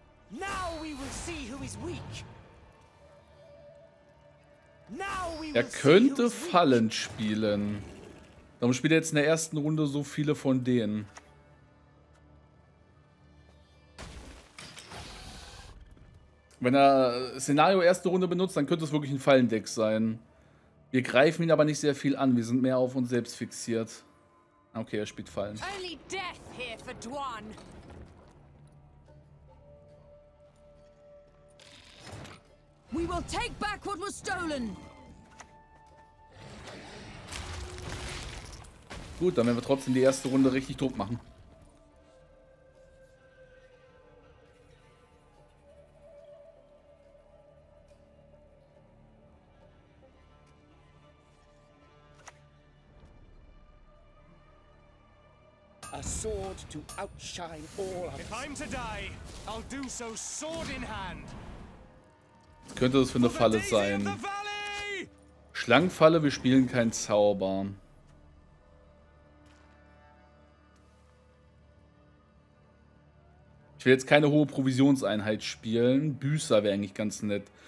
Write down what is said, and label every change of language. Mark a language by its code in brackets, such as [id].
[en] Now we will see who is weak. [de] Er könnte Fallen spielen. Warum spielt er jetzt in der ersten Runde so viele von denen? Wenn er Szenario erste Runde benutzt, dann könnte es wirklich ein Fallendeck sein. Wir greifen ihn aber nicht sehr viel an. Wir sind mehr auf uns selbst fixiert. Okay, er spielt Fallen. [en] Only death here for Dwan. We will take back what was stolen. [de] Gut, dann werden wir trotzdem die erste Runde richtig Druck machen. [en] A sword to outshine all others. If I'm to die, I'll do so sword in hand. [de] Könnte das für eine Falle sein? Schlangenfalle, wir spielen keinen Zauber. Ich will jetzt keine hohe Provisionseinheit spielen. Büßer wäre eigentlich ganz nett.